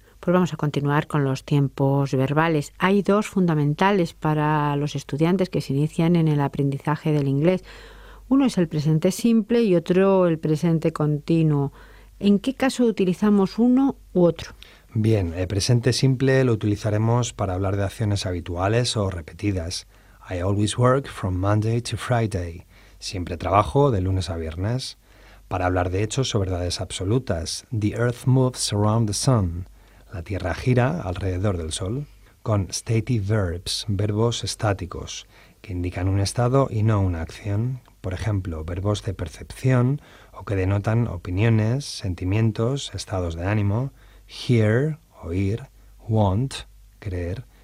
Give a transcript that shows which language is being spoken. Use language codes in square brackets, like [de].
[es] Pues vamos a continuar con los tiempos verbales. Hay dos fundamentales para los estudiantes que se inician en el aprendizaje del inglés. Uno es el presente simple y otro el presente continuo. ¿En qué caso utilizamos uno u otro? Bien, el presente simple lo utilizaremos para hablar de acciones habituales o repetidas. [en] I always work from Monday to Friday. [es] Siempre trabajo de lunes a viernes. Para hablar de hechos o verdades absolutas. [en] The earth moves around the sun. [es] La tierra gira alrededor del sol. Con stative verbs, verbos estáticos, que indican un estado y no una acción. Por ejemplo, verbos de percepción o que denotan opiniones, sentimientos, estados de ánimo. Hear, oír. Want, creer.